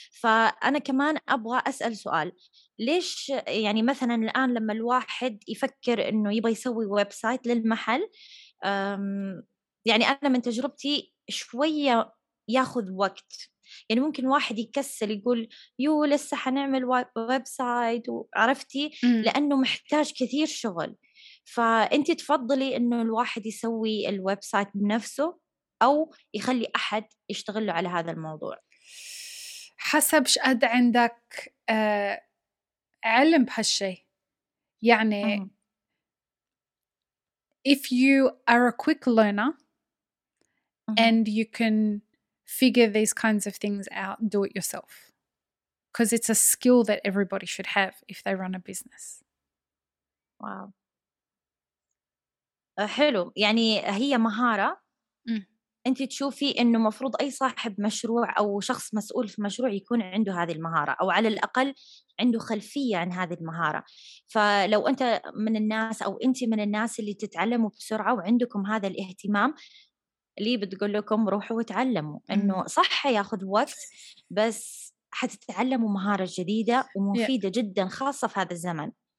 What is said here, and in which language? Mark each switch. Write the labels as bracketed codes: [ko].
[ar] فأنا كمان أبغى أسأل سؤال، ليش يعني مثلا الآن لما الواحد يفكر إنه يبغى يسوي ويب سايت للمحل، يعني أنا من تجربتي شوية ياخذ وقت، يعني ممكن واحد يكسل يقول يو لسه حنعمل ويب سايت وعرفتي، لأنه محتاج كثير شغل. فأنت تفضلي أنه الواحد يسوي الويب سايت بنفسه أو يخلي أحد يشتغله على هذا الموضوع؟ حسب شقد عندك علم بهالشيء. [en] يعني if you are a quick learner and you can figure these kinds of things out, do it yourself, because it's a skill that everybody should have if they run a business. Wow. [ar] حلو، يعني هي مهارة انت تشوفي انه مفروض اي صاحب مشروع او شخص مسؤول في مشروع يكون عنده هذه المهارة، او على الاقل عنده خلفية عن هذه المهارة. فلو انت من الناس او انت من الناس اللي تتعلموا بسرعة وعندكم هذا الاهتمام، اللي بتقول لكم روحوا وتعلموا، انه صح ياخذ وقت بس حتتعلموا مهاره جديده ومفيده جدا، خاصه في هذا الزمن.